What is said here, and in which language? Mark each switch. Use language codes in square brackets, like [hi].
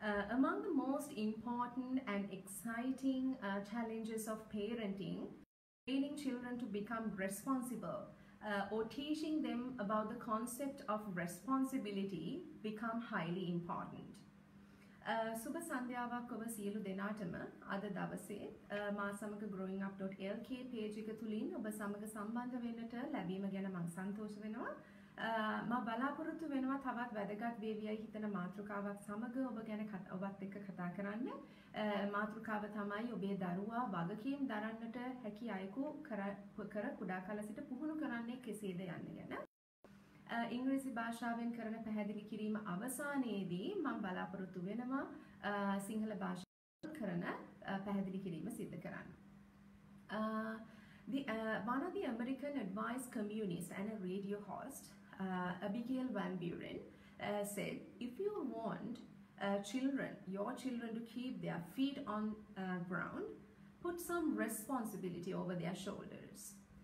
[en] Among the most important and exciting challenges of parenting, training children to become responsible or teaching them about the concept of responsibility become highly important. [si] සුභ සන්ධ්‍යාවක් ඔබ සියලු දෙනාටම අද දවසේ මා සමග growingup.lk page එක තුලින් ඔබ සමග සම්බන්ධ වෙන්නට ලැබීම ගැන මම සන්තෝෂ වෙනවා මම බලාපොරොත්තු වෙනවා තවත් වැදගත් වේවියයි හිතන මාතෘකාවක් සමග ඔබ ගැන ඔබත් එක්ක කතා කරන්න මාතෘකාව තමයි ඔබේ දරුවා වගකීම් දරන්නට හැකි අයකු කර කුඩා කල සිට පුහුණු කරන්නේ කෙසේද යන්න ගැන ඉංග්‍රීසි භාෂාවෙන් කරන පැහැදිලි කිරීම අවසානයේදී මම බලාපොරොත්තු වෙනවා සිංහල භාෂාවෙන් කරන පැහැදිලි කිරීම සිද්ධ කරන්න. [en] One of the American advice communists and a radio host, Abigail Van Buren, said, "If you want your children to keep their feet on ground, put some responsibility over their shoulders."